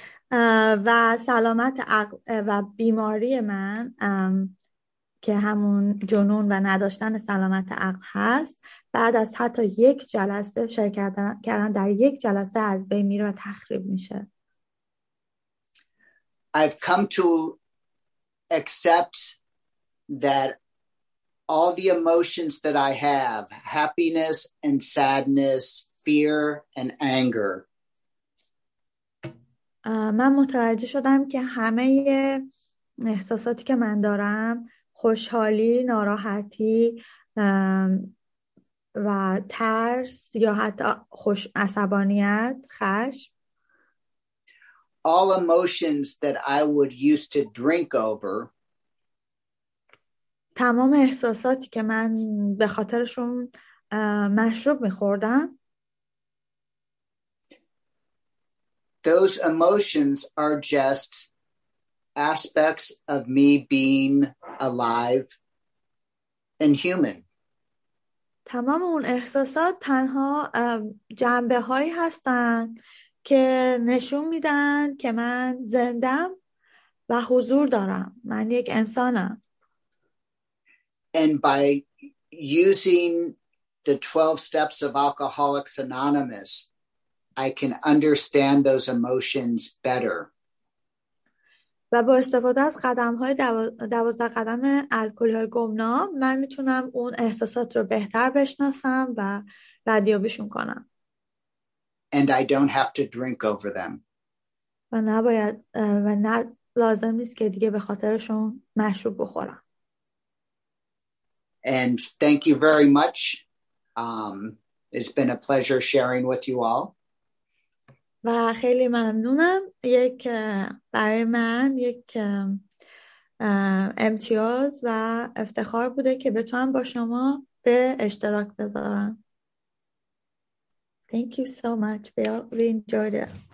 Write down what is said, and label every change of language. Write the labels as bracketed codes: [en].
[fa] و سلامت عقل و بیماری من که همون جنون و نداشتن سلامت عقل هست بعد از حتی یک جلسه شرکت کردن در یک جلسه از بین میره و تخریب میشه. [en] I've come to accept that all the emotions that I have, happiness and sadness, fear and anger, [fa] من متوجه شدم که همه احساساتی که من دارم خوشحالی، ناراحتی و ترس یا حتی عصبانیت، خشم [en] All emotions that I would used to drink over [fa] تمام احساساتی که من به خاطرشون مشروب می‌خوردم [en] Those emotions are just aspects of me being alive and human. [fa] تمام اون احساسات تنها جنبه هایی هستند که نشون میدن که من زندم و حضور دارم. من یک انسانم. [en] And by using the 12 steps of Alcoholics Anonymous, I can understand those emotions better. [fa] و با استفاده از قدم‌های 12 قدم الکل‌های گمنام من میتونم اون احساسات رو بهتر بشناسم و ردیابیشون کنم. [en] And I don't have to drink over them. [fa] و نباید و نه لازم نیست که دیگه به خاطرشون مشروب بخورم. [en] And thank you very much. It's been a pleasure sharing with you all. [fa] و خیلی ممنونم یک برای من یک امتیاز و افتخار بوده که بتونم با شما به اشتراک بذارم. [en] Thank you so much, Bill. We enjoyed it.